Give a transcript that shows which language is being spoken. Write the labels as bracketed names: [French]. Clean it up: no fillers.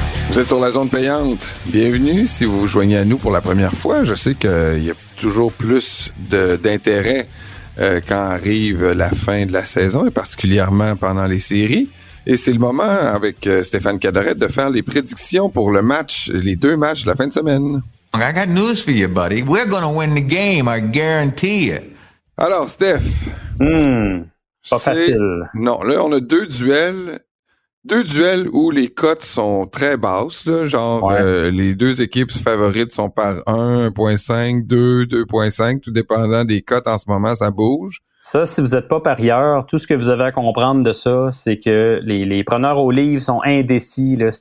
[French] Vous êtes sur La Zone Payante. Bienvenue si vous vous joignez à nous pour la première fois. Je sais qu'il y a toujours plus d'intérêt quand arrive la fin de la saison, et particulièrement pendant les séries. Et c'est le moment, avec Stéphane Cadorette, de faire les prédictions pour le match, les deux matchs de la fin de semaine. [English] I got news for you, buddy. We're gonna win the game, I guarantee it. [French] Alors, Steph. Pas facile. Non, là, on a deux duels où les cotes sont très basses, là, genre ouais. Les deux équipes favorites sont par 1.5, 2.5, tout dépendant des cotes en ce moment, ça bouge. Ça, si vous n'êtes pas parieur, tout ce que vous avez à comprendre de ça, c'est que les preneurs au livre sont indécis. Là.